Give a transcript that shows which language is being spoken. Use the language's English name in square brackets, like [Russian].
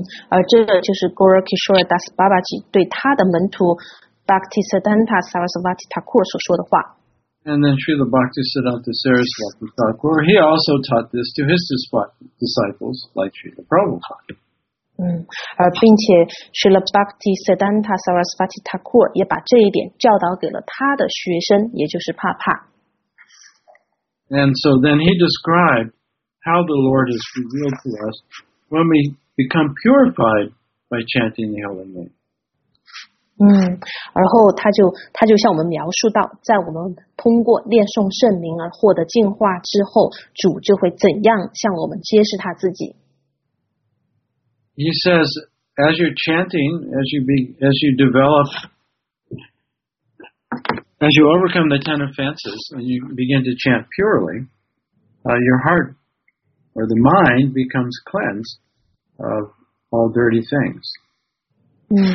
[Chinese] 而这个就是 Gaurakishore Das Babaji 对他的门徒 Bhaktisiddhanta Saraswati Thakur 所说的话。 [English] And then Srila Bhaktisiddhanta Saraswati Thakur, he also taught this to his disciples, like Srila Prabhupada. [Chinese] 而并且 Srila Bhaktisiddhanta Saraswati Thakur 也把这一点教导给了他的学生, 也就是帕帕。 [English] And so then he described how the Lord is revealed to us when we become purified by chanting the holy name. [Chinese] 然后他就向我们描述到 在我们通过念诵圣名而获得净化之后 主就会怎样向我们揭示他自己。 [English] He says, as you're chanting, as you develop, as you overcome the ten offenses and you begin to chant purely, your heart or the mind becomes cleansed of all dirty things.